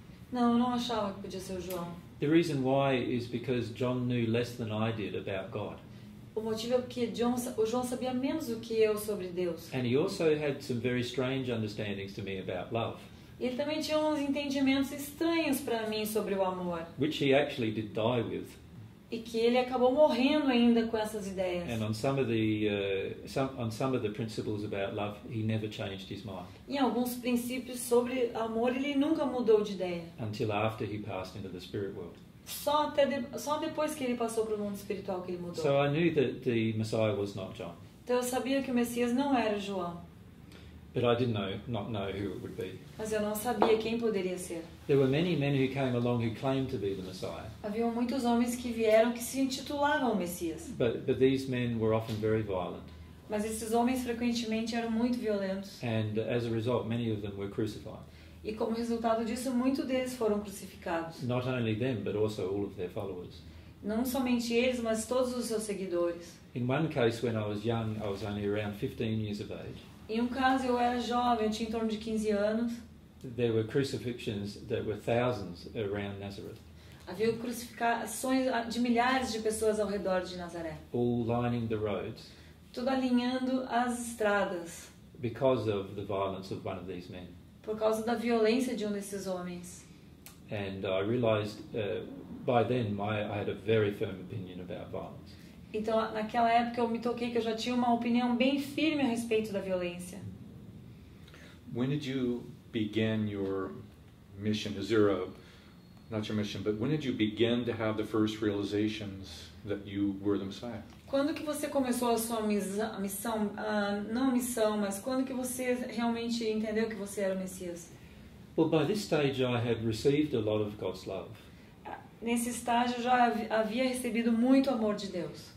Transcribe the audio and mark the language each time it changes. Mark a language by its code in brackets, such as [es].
[pt] Não, eu não achava que podia ser o João. [en] The reason why is because John knew less than I did about God. [pt] O motivo é porque o João sabia menos do que eu sobre Deus. [en] And he also had some very strange understandings to me about love. [pt] E ele também tinha uns entendimentos estranhos para mim sobre o amor. [en] Which he actually did die with. [pt] E que ele acabou morrendo ainda com essas ideias. [en] And on some of the principles about love, he never changed his mind. [pt] Em alguns princípios sobre amor, ele nunca mudou de ideia. [en] Until after he passed into the spirit world. [pt] Só depois que ele passou para o mundo espiritual que ele mudou. [en] So I knew that the Messiah was not John. [pt] Então eu sabia que o Messias não era João. [en] But I didn't know, not know who it would be. [pt] Mas eu não sabia quem poderia ser. [en] There were many men who came along who claimed to be the Messiah. [pt] Havia muitos homens que vieram que se intitulavam Messias. [en] But these men were often very violent. [pt] Mas esses homens frequentemente eram muito violentos. [en] And as a result, many of them were crucified. [pt] E como resultado disso, muitos deles foram crucificados. [en] Not only them, but also all of their followers. [pt] Não somente eles, mas todos os seus seguidores. [en] In one case, when I was young, I was only around 15 years of age. [pt] Em um caso, eu era jovem, eu tinha em torno de 15 anos. [en] There were crucifixions that were thousands around Nazareth. [pt] Havia crucificações de milhares de pessoas ao redor de Nazaré. [en] All lining the roads. [pt] Tudo alinhando as estradas. [en] Because of the violence of one of these men. [pt] Por causa da violência de um desses homens. [en] And I realized by then I had a very firm opinion about violence. [pt] Então, naquela época, eu me toquei que eu já tinha uma opinião bem firme a respeito da violência. [en] When did you begin your mission? Is there a, not your mission, but when did you begin to have the first realizations that you were the Messiah? [pt] Quando que você começou a sua missão, não missão, mas quando que você realmente entendeu que você era o Messias? [en] Well, by this stage, I had received a lot of God's love. [pt] Nesse estágio eu já havia recebido muito amor de Deus.